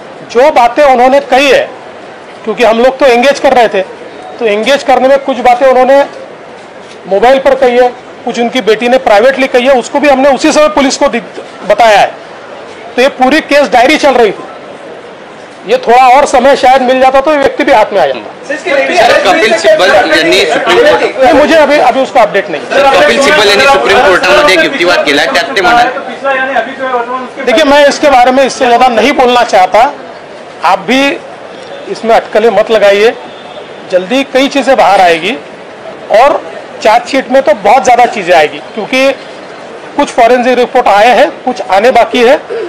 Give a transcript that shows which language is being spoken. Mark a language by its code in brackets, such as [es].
[hi] जो बातें उन्होंने कही है, क्योंकि हम लोग तो एंगेज कर रहे थे, तो एंगेज करने में कुछ बातें उन्होंने मोबाइल पर कही है, कुछ उनकी बेटी ने प्राइवेटली कही है, उसको भी हमने उसी समय पुलिस को बताया है। तो ये पूरी केस डायरी चल रही थी, ये थोड़ा और समय शायद मिल जाता तो ये व्यक्ति भी हाथ में आ जाता। [mr] कपिल सिब्बल यांनी सुप्रीम कोर्ट, [hi] मुझे अभी उसका अपडेट नहीं। [mr] कपिल सिब्बल यांनी सुप्रीम कोर्टामध्ये एक युक्तिवाद केला, त्यात ते म्हणाले, [hi] देखिए मैं इसके बारे में इससे ज्यादा नहीं बोलना चाहता, आप भी इसमें अटकलें मत लगाइए, जल्दी कई चीजें बाहर आएगी और चार्जशीट में तो बहुत ज्यादा चीजें आएगी, क्योंकि कुछ फॉरेंसिक रिपोर्ट आए हैं, कुछ आने बाकी है।